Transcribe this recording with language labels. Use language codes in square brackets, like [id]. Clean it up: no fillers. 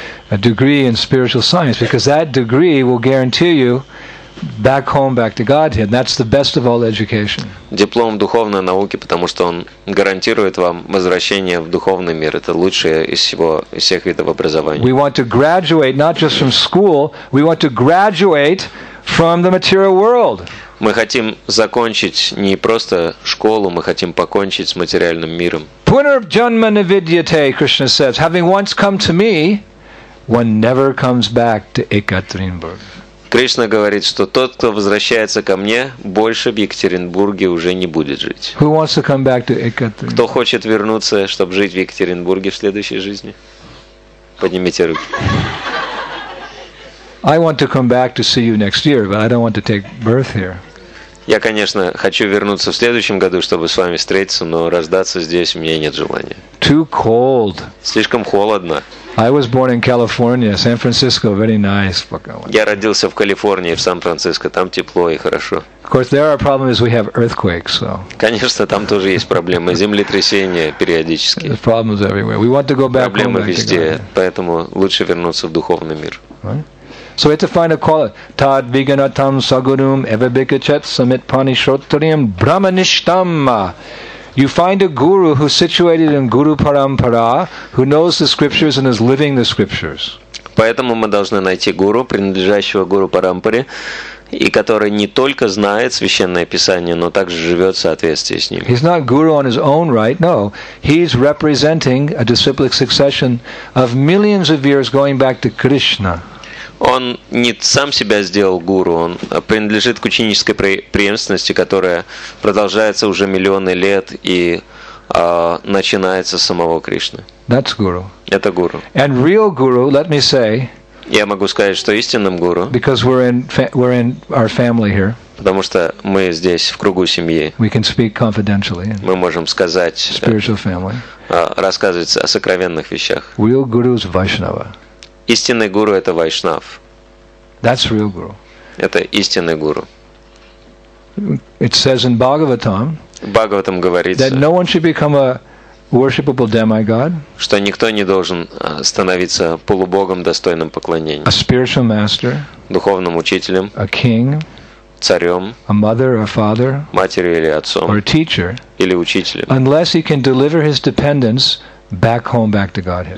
[en] A degree in spiritual science, because that degree will guarantee you back home, back to Godhead. That's the best of all education. [ru] Диплом духовной науки, потому что он гарантирует вам возвращение в духовный мир. Это лучшее из всего, из всех видов образования. [en] We want to graduate not just from school. We want to graduate from the material world. [ru] Мы хотим закончить не просто школу, мы хотим покончить с материальным миром. [en] Punarjanma Navidyate, Krishna says, having once come to me, one never comes back to Ekaterinburg. [ru] Кришна говорит, что тот, кто возвращается ко мне, больше в Екатеринбурге уже не будет жить. [en] Who wants to come back to Ekaterinburg? [ru] Кто хочет вернуться, чтобы жить в Екатеринбурге в следующей жизни? Поднимите руки. [en] I want to come back to see you next year, but I don't want to take birth here. [ru] Я, конечно, хочу вернуться в следующем году, чтобы с вами встретиться, но рождаться здесь у меня нет желания. [en] Too cold. [ru] Слишком холодно. [en] I was born in California, San Francisco, very nice. [ru] Я родился в Калифорнии, в Сан-Франциско, там тепло и хорошо. [en] Of course, there are problems. We have earthquakes, so. [ru] Конечно, там тоже есть проблемы, землетрясения периодически. [en] There's problems everywhere. We want to go back. [ru] Проблемы везде, поэтому лучше вернуться в духовный мир. [en] So it's a final call. [sa] Tad viganatam sagurum eva bikachat samit pani shrotariyam brahmanishtamma. [en] You find a guru who's situated in guru parampara, who knows the scriptures and is living the scriptures. [ru] Поэтому мы должны найти гуру, принадлежащего гуру парампаре, и который не только знает священное писание, но также живет в соответствии с ним. [en] He's not guru on his own right, no. He's representing a disciplic succession of millions of years going back to Krishna. [ru] Он не сам себя сделал гуру, он принадлежит к ученической преемственности, которая продолжается уже миллионы лет и начинается с самого Кришны. [en] That's guru. [ru] Это гуру. [en] And real guru, let me say, [ru] я могу сказать, что истинным гуру, [en] because we're in our family here, [ru] потому что мы здесь в кругу семьи, [en] we can speak confidentially, [ru] мы можем сказать, [en] spiritual family, [ru] рассказывать о сокровенных вещах. [en] Real guru is Vaishnava. [ru] Истинный гуру – это вайшнав. [en] That's real guru. [ru] Это истинный гуру. [en] It says in Bhagavatam, [ru] в Бхагаватам говорится, [en] that no one should become a worshipable demigod, [ru] что никто не должен становиться полубогом, достойным поклонения, [en] a spiritual master, [ru] духовным учителем, [en] a king, [ru] царем, [en] a mother or father, [ru] матерью или отцом, [en] or a teacher, [ru] или учителем, [en] unless he can deliver his dependents back home, back to Godhead.